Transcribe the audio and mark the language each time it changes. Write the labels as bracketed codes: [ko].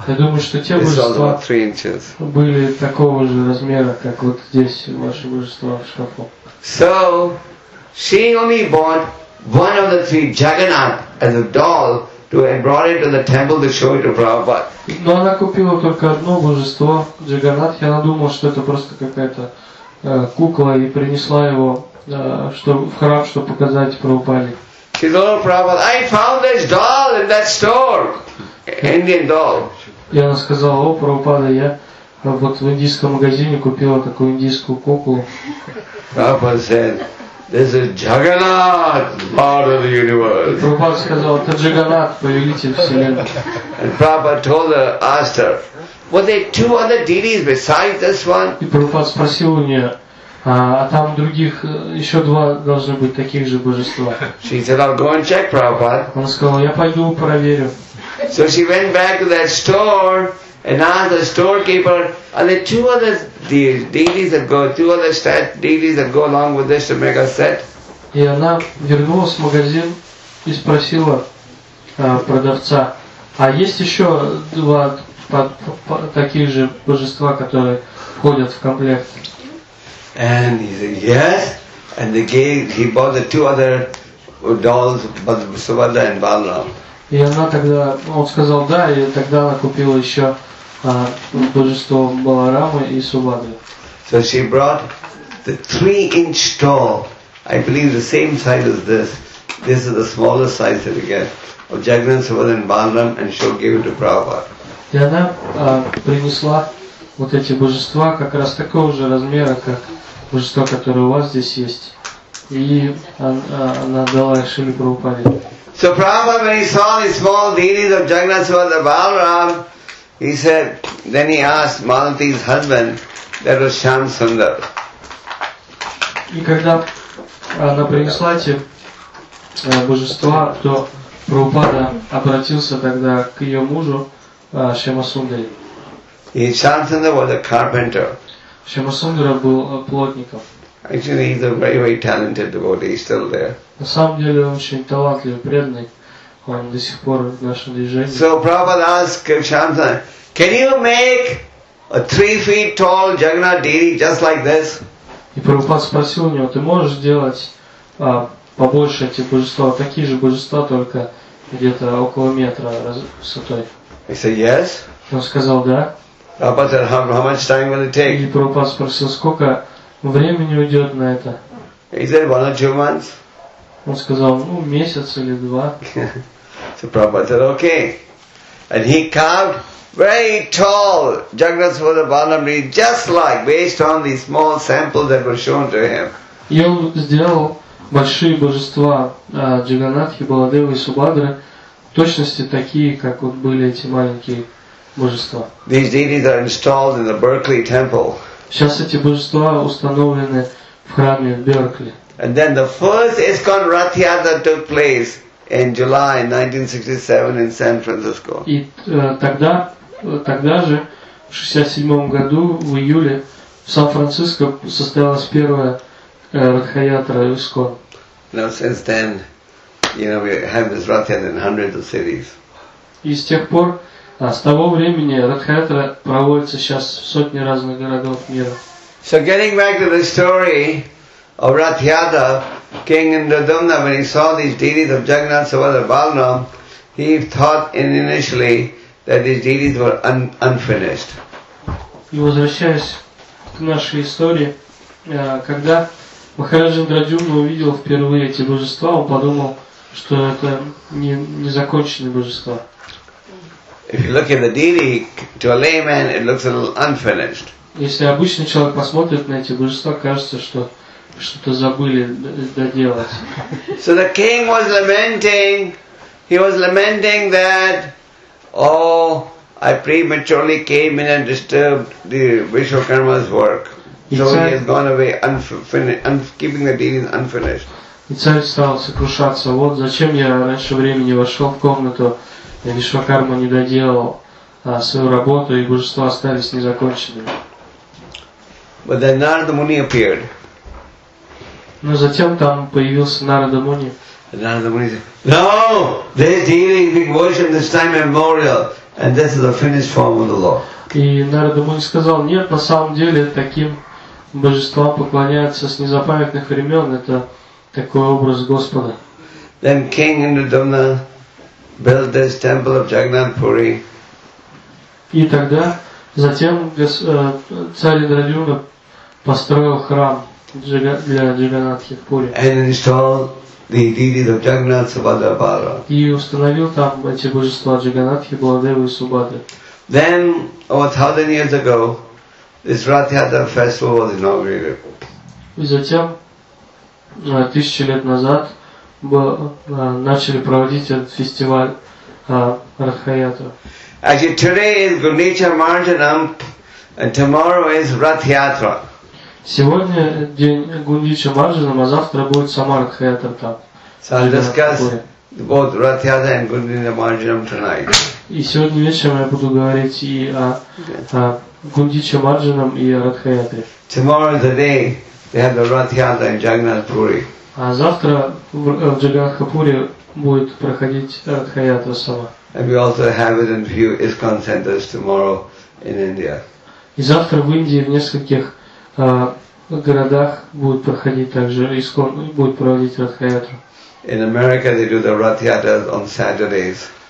[ru] Я думаю, что те божества были такого же размера, как вот здесь ваши божества в шкафу. [en] So, she only bought one of the three Jagannath as a doll to and brought it to the temple to show it to Prabhupada. [ru] Но она купила только одно божество Джаганнат, и она думала, что это просто какая-то кукла, и принесла его в храм, чтобы показать Прабхупаде. [en] She told Prabhupada, I found this doll in that store. Indian doll. [ru] И она сказала, о, Прабхупада, я вот в индийском магазине купила такую индийскую куклу. [en] Prabhupada said, this is Jagannath, Lord of the universe. [ru] Прабхупада сказал, это Джаганнат, повелитель вселенной. [en] And Prabhupada told her, asked her, were there two other deities besides this one? [ru] И Прабхупада спросил у нее, а там других еще два должны быть таких же божества. [en] She said, I'll go and check, Prabhupada. [ru] Она сказала, я пойду проверю. [en] So she went back to that store and asked the storekeeper, are there two other deities that go, two other deities that go along with this to make a set? [ru] И она вернулась в магазин и спросила продавца, а есть еще два таких же божества, которые входят в комплект? [en] And he said, yes, and they gave, he bought the two other dolls, Subhadra and Balaram. [ru] И она тогда, он сказал да, и тогда она купила еще божество Баларамы и Субхадры. [en] So she brought the 3-inch tall, I believe the same size as this, this is the smallest size that we get, of Jagannath, Subhadra and Balaram, and she gave it to Prabhupada. [ru] И она принесла вот эти божества как раз такого же размера, как божество, которое у вас здесь есть. И она дала Шиле Прабхупаде. [en] So Prabhupada, when he saw the small deities of Jagannath Subhadra Balaram, he said, then he asked Malati's husband, that was Shyam Sundar. [ru] И когда она принесла эти божества, то Прабхупада обратился тогда к ее мужу Шьяма Сундаре. [en] He, Shyam Sundar was a carpenter. [ru] Shyama Sundara был плотником. [en] Actually, he's a very, very talented devotee. He's still there. [ru] На самом деле, он очень талантливый, преданный. Он до сих пор в нашем движении. [en] So Prabhupada asked Shyam Sundar, can you make a 3 feet tall Jagannath deity just like this? [ru] И Прабхупада спросил у него, ты можешь сделать побольше эти божества, такие же божества, только где-то около метра высотой? [en] He said, yes. [ru] Он сказал, да. [en] Prabhupada said, how much time will it take? [ru] И Прабхупада спросил, сколько времени уйдет на это? [en] He said, 1 or 2 months. [ru] Он сказал, ну, месяц или два. [en] So Prabhupada said, okay. And he carved very tall Jagannath Subhadra Balaram just like, based on the small samples that were shown to him. [ru] И он сделал большие божества Джаганнатхи, Баладевы и Субхадры, в точности такие, как вот были эти маленькие. [en] These deities are installed in the Berkeley temple. [ru] Сейчас эти божества установлены в храме в Беркли. [en] And then the first ISKCON Rath Yatra took place in July 1967 in San Francisco. [ru] И тогда же в 67 году в июле в Сан-Франциско состоялась первая Ратха Ятра ISKCON. [en] Now since then, you know, we have this Rath Yatra in hundreds of cities. [ru] И с тех пор с того времени Радхаятра проводится сейчас в сотни разных городов мира. [en] So getting back to the story of Radhyatra, King Indradumna, when he saw these deities of Jagannath Subhadra Balaram, he thought initially that these deities were unfinished. [ru] И возвращаясь к нашей истории, когда Махараджа Индрадюмна увидел впервые эти божества, он подумал, что это не законченные божества. [en] If you look at the deity, to a layman, it looks a little unfinished. [ru] Если обычный человек посмотрит на эти божества, кажется, что что-то забыли доделать. [en] So the king was lamenting. He was lamenting that, oh, I prematurely came in and disturbed the Vishwakarma's work. So he has gone away, keeping the deity unfinished. [ru] И царь стал сокрушаться. Вот зачем я раньше времени вошел в комнату, и Вишвакарма не доделал свою работу, и божества остались незаконченными. [en] But then Narada Muni appeared. [ru] Но затем там появился Нарада Муни. [en] Narada Muni said, "No, they're dealing with devotion this time immemorial, and this is the finished form of the law." [ru] И Нарада Муни сказал, нет, на самом деле таким божествам поклоняются с незапамятных времен, это такой образ Господа. [en] Then King Indradumna built this temple of Jagannath Puri. [ru] И тогда, затем царь Индрадюмна построил храм для Джаганнатхи в Пури. [en] And installed the deities of Jagannath Subhadra. [ru] И установил там эти божества Джаганнатхи, Баладеву и Субхадру. [en] Then, over 1,000 years ago, this Ratha festival was inaugurated. [ru] И затем, 1,000 лет назад, начали проводить этот фестиваль Ратхаятра. [en] Actually, today is Gundicha Marjanam, and tomorrow is Ratha-yatra. [ru] Сегодня день Гундича Марджанам, а завтра будет сама Ратхаятра там. [en] So I'll discuss both Ratha-yatra and Gundicha Marjanam tonight. [ru] И сегодня вечером я буду говорить и о Гундича Марджанам и о Ратхаятре. [en] Tomorrow is the day they have the Ratha-yatra in Jagannath Puri. [ru] А завтра в Джаганнатхапуре будет проходить Ратхаятра сама. [en] And we also have it in few ISKCON centers tomorrow in India. [ru] И завтра в Индии в нескольких городах будет проходить также ISKCON, будет проводить Ратхаятру. [en] In America they do the Ratha-yatra on Saturdays.